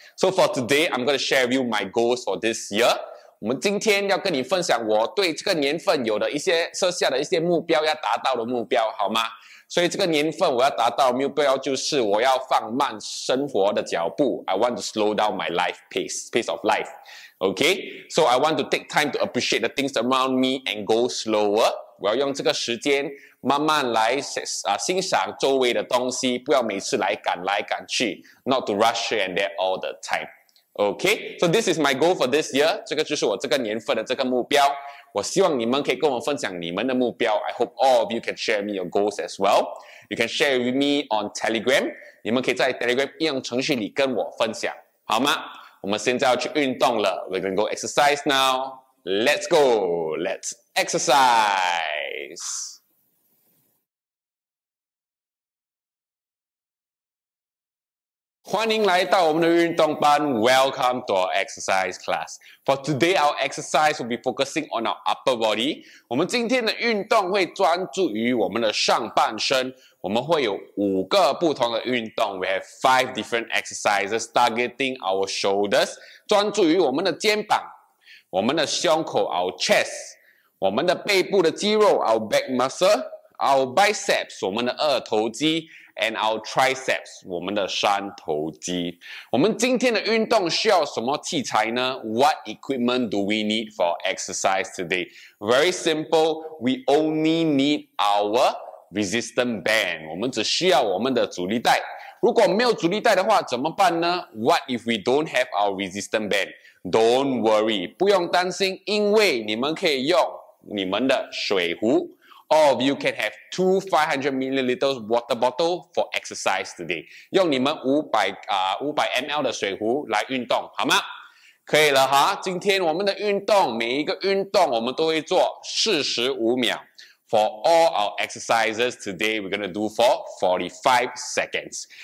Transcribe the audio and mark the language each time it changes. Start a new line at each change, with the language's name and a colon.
English: So for today, I'm going to share with you my goals for this year.
Chinese: 我们今天要跟你分享我对这个年份有的一些设下的一些目标，要达到的目标，好吗？所以这个年份我要达到的目标就是我要放慢生活的脚步。
English: I want to slow down my life pace of life. Okay? So I want to take time to appreciate the things around me and go slower.
Chinese: 我要用这个时间慢慢来欣赏周围的东西，不要每次来赶来赶去。
English: Not to rush here and there all the time. Okay? So this is my goal for this year.
Chinese: 这个就是我这个年份的这个目标。我希望你们可以跟我分享你们的目标。
English: I hope all of you can share me your goals as well. You can share with me on Telegram.
Chinese: 你们可以在 Telegram 应用程序里跟我分享，好吗？我们现在要去运动了。
English: We're gonna go exercise now. Let's go. Let's exercise. Welcome to our exercise class. Welcome to our exercise class. For today, our exercise will be focusing on our upper body.
Chinese: 我们今天的运动会专注于我们的上半身。我们会有五个不同的运动。
English: We have five different exercises targeting our shoulders.
Chinese: 专注于我们的肩膀、我们的胸口
English: our chest,
Chinese: 我们的背部的肌肉
English: our back muscle, our biceps,
Chinese: 我们的二头肌。
English: And our triceps,
Chinese: 我们的三头肌。我们今天的运动需要什么器材呢？
English: What equipment do we need for exercise today? Very simple, we only need our resistance band.
Chinese: 我们只需要我们的阻力带。如果没有阻力带的话怎么办呢？
English: What if we don't have our resistance band? Don't worry,
Chinese: 不用担心，因为你们可以用你们的水壶。
English: All of you can have 2 500 milliliters water bottle for exercise today.
Chinese: 用你们500ml 的水壶来运动，好吗？可以了哈。今天我们的运动，每一个运动我们都会做45秒。
English: For all our exercises today, we're gonna do for 45 seconds.